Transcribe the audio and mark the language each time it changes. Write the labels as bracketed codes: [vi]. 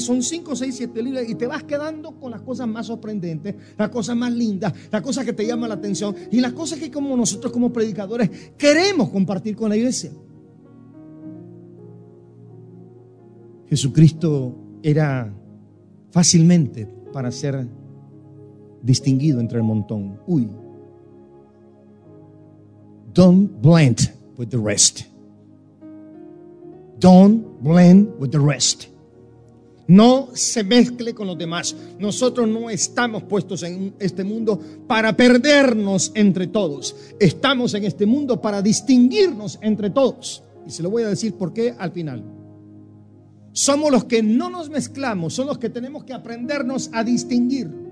[es] Son 5, 6, 7 libros y te vas quedando con las cosas más sorprendentes, las cosas más lindas, las cosas que te llaman la atención y las cosas que como nosotros como predicadores queremos compartir con la iglesia. Jesucristo era fácilmente para ser distinguido entre el montón. Uy. [en] Don't blend with the rest. Don't blend with the rest. [es] No se mezcle con los demás. Nosotros no estamos puestos en este mundo para perdernos entre todos. Estamos en este mundo para distinguirnos entre todos. Y se lo voy a decir por qué al final. Somos los que no nos mezclamos, son los que tenemos que aprendernos a distinguir.